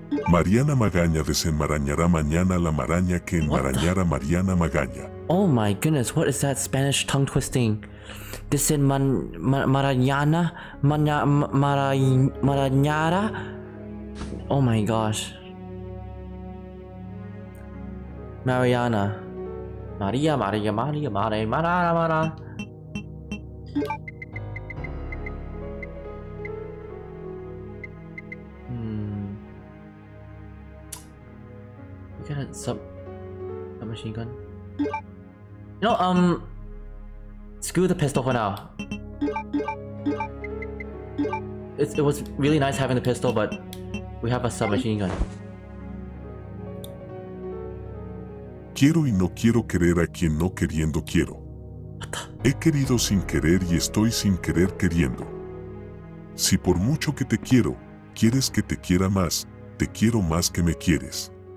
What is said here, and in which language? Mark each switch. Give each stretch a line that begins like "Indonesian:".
Spanish: Mariana Magaña desenmarañará mañana la maraña que enmarañara Mariana Magaña.
English: Oh my goodness, what is that Spanish tongue twisting?
Spanish: Desenmarañara?
English: Oh my gosh. Mariana. Maria. We got a submachine gun. You know, screw the pistol for now. It was really nice having the pistol, but we have a submachine gun.
Spanish: Quiero y no quiero querer a quien no queriendo quiero. He querido sin querer y estoy sin querer queriendo. Si por mucho que te quiero, quieres que te quiera más, te quiero más que me quieres.